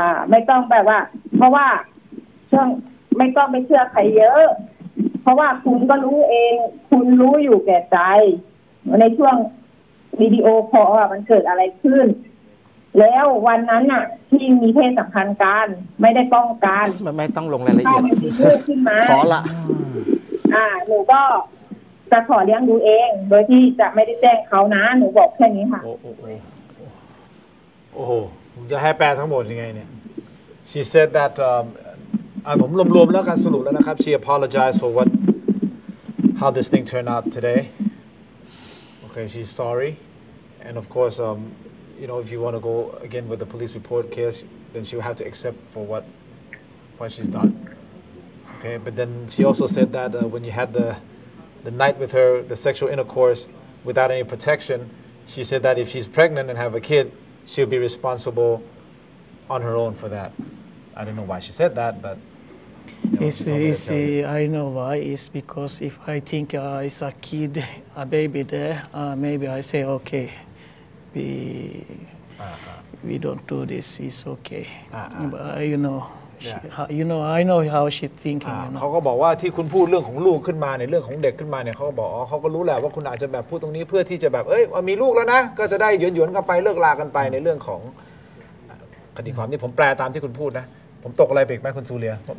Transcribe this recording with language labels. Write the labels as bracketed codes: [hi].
[th] ไม่ต้องแบบว่าเพราะว่าช่วงไม่ต้องไปเชื่อใครเยอะเพราะว่าคุณก็รู้เองคุณรู้อยู่แก่ใจในช่วงวิดีโอคอลอ่ะมันเกิดอะไรขึ้นแล้ววันนั้นน่ะที่มีเพศสัมพันธ์กันไม่ได้ป้องกัน มันไม่ต้องลงรายละเอียด ขึ้นมา ขอละ หนูก็จะขอเลี้ยงดูเองโดยที่จะไม่ได้แจ้งเขานะหนูบอกแค่นี้ค่ะ โอ้โหผมจะให้แปลทั้งหมดยังไงเนี่ย [en] she said that [th] ผมรวมๆแล้วกันสรุปแล้วนะครับ [en] she apologized for what how this thing turned out today okay she's sorry and of course you know if you want to go again with the police report case then she'll have to accept for what she's done okay but then she also said that when you had the night with her, the sexual intercourse without any protection, she said that if she's pregnant and have a kid, she'll be responsible on her own for that. I don't know why she said that, but... I know why. It's because if I think it's a kid, a baby there, maybe I say, okay, we don't do this, it's okay. But you know... Yeah. You know, I know how she thinking. You know. [th] เขาก็บอกว่าที่คุณพูดเรื่องของลูกขึ้นมาในเรื่องของเด็กขึ้นมาเนี่ยเขาก็บอกอ๋อเขาก็รู้แหละว่าคุณอาจจะแบบพูดตรงนี้เพื่อที่จะแบบเอ้ยมีลูกแล้วนะก็จะได้หยวนๆกันไปเลิกลากันไปในเรื่องของคดีความที่ผมแปลตามที่คุณพูดนะผมตกอะไรไปอีกไหมคุณซูเรีย